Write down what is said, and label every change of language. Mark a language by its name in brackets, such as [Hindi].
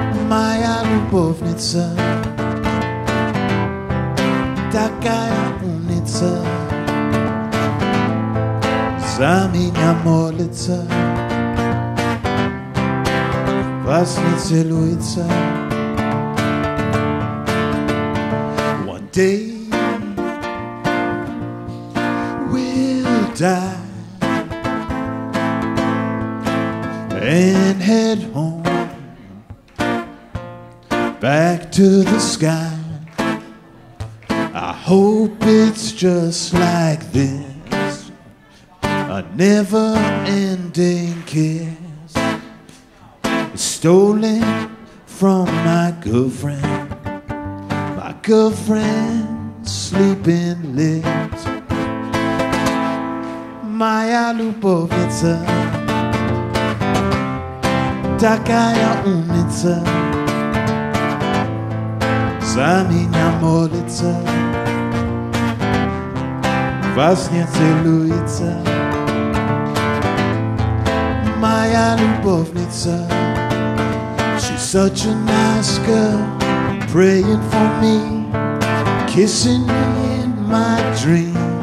[Russian] Моя любовница, такая умница, за меня молится, во сне целуется. [English] Day will die and head home back to the sky. I hope it's just like this, a never-ending kiss stolen from my girlfriend. Girlfriend sleeping late. [Russian] Моя любовница, такая умница, за меня молится, во сне целуется. Моя любовница, [English] she's such a nice girl, praying for me, kissing me in my dreams.